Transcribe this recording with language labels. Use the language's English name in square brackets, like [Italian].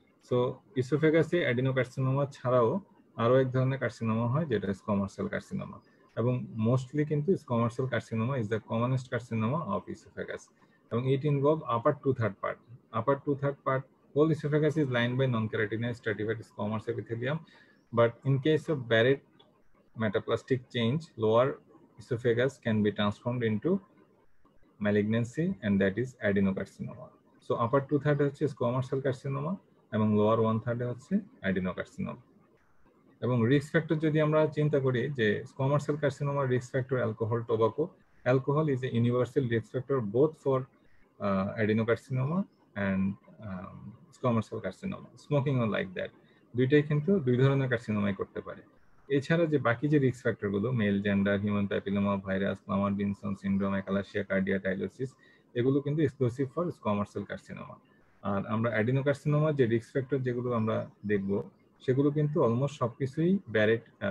[English] so ইসোফেগাসে adenocarcinoma [Bangla] ছাড়াও আরও এক ধরনের কার্সিনোমা হয় যেটা [English] Squamous cell carcinoma এবং mostly কিন্তু squamous cell carcinoma is the commonest carcinoma of esophagus এবং it involve upper two third part upper two third part whole esophagus is line by non keratinize stratified squamous epithelium but in case of Barrett metaplastic change lower esophagus can be transformed into malignancy, and that is adenocarcinoma. So upper two third [Bangla] হচ্ছে squamous cell carcinoma, এবং lower one third হচ্ছে adenocarcinoma. এবং risk factor যদি আমরা চিন্তা করি যে squamous cell carcinoma risk factor alcohol, tobacco. [English] Alcohol is a universal risk factor both for adenocarcinoma and squamous cell carcinoma. Smoking or like that. [Bangla] দুইটাই কিন্তু দুই ধরনের carcinoma করতে পারে. এছাড়া যে বাকি যে রিস্ক ফ্যাক্টর গুলো mail gender human papilloma virus ক্লামারবিনসন syndrome একালাসিয়া কার্ডিয়াটাইলোসিস এগুলো কিন্তু [English] exclusive for squamous cell carcinoma [Bangla] আর আমরা অ্যাডিনোকার্সিনোমা যে রিস্ক ফ্যাক্টর যেগুলো আমরা দেখব সেগুলো কিন্তু অলমোস্ট সবকিছুই ব্যারেট